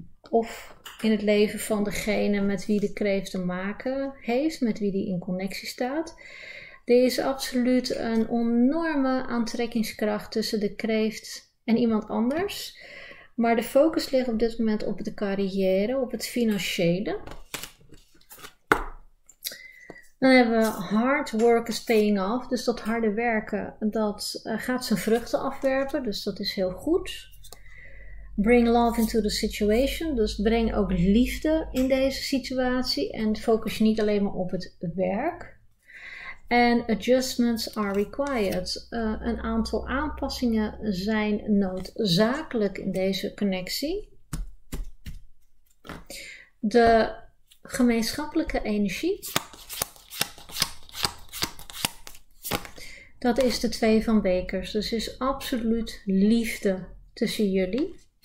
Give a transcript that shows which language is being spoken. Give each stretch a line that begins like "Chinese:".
Dutch: Of in het leven van degene met wie de kreeft te maken heeft, met wie die in connectie staat. Er is absoluut een enorme aantrekkingskracht tussen de kreeft en iemand anders. Maar de focus ligt op dit moment op de carrière, op het financiële. Dan hebben we
English: hard work is paying off.
Dutch: Dus dat harde werken, dat gaat zijn vruchten afwerpen. Dus dat is heel goed.
English: Bring love into the situation.
Dutch: Dus breng ook liefde in deze situatie. En focus je niet alleen maar op het werk. En
English: adjustments are required.
Dutch: Een aantal aanpassingen zijn noodzakelijk in deze connectie. De gemeenschappelijke energie. Dat is de twee van bekers. Dus is absoluut liefde tussen jullie.